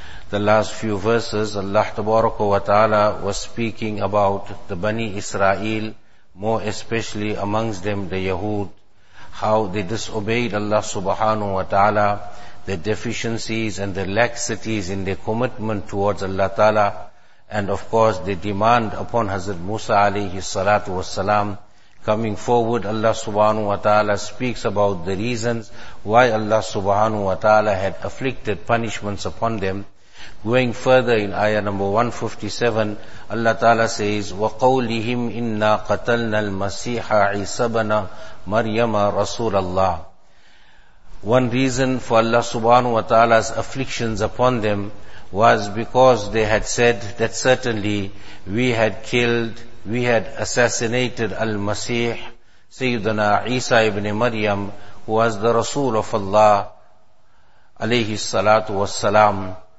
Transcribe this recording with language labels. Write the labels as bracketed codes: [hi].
[en] The last few verses, Allah Tabaraka wa Ta'ala was speaking about the Bani Israel, more especially amongst them the Yahud, how they disobeyed Allah Subhanahu wa Ta'ala, the deficiencies and the laxities in their commitment towards Allah Ta'ala, and of course the demand upon Hazrat Musa alayhi salatu wasalam. Coming forward, Allah subhanahu wa ta'ala speaks about the reasons why Allah subhanahu wa ta'ala had afflicted punishments upon them. Going further in ayah number 157, Allah ta'ala says, [ar] وَقَوْلِهِمْ إِنَّا قَتَلْنَا الْمَسِيحَ عِيسَى بْنَ مَرْيَمَ رَسُولَ اللَّهِ. [en] One reason for Allah subhanahu wa ta'ala's afflictions upon them was because they had said that certainly we had assassinated Al-Masih, Sayyidina Isa ibn Maryam, who was the Rasul of Allah, alayhi salatu wassalam.